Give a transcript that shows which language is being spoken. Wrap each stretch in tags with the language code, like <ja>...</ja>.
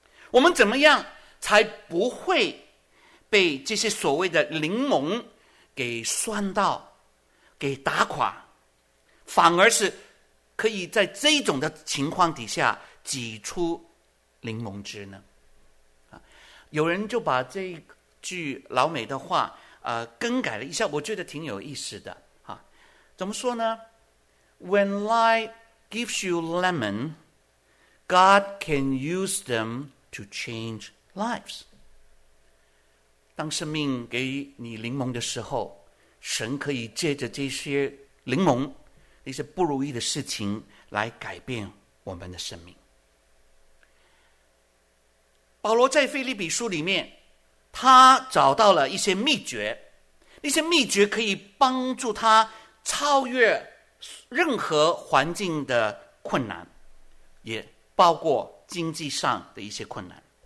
<zh>我们怎么样才不会被这些所谓的柠檬给酸到，给打垮，反而是可以在这种的情况底下挤出柠檬汁呢？有人就把这句老美的话更改了一下，我觉得挺有意思的，怎么说呢？</zh> <en>When life gives you lemon, God can use them to change lives.</en> <zh>当生命给你柠檬的时候，神可以借着这些柠檬，那些不如意的事情来改变我们的生命。保罗在腓立比书里面，他找到了一些秘诀，那些秘诀可以帮助他超越任何环境的困难，也包括经济上的一些困难。</zh>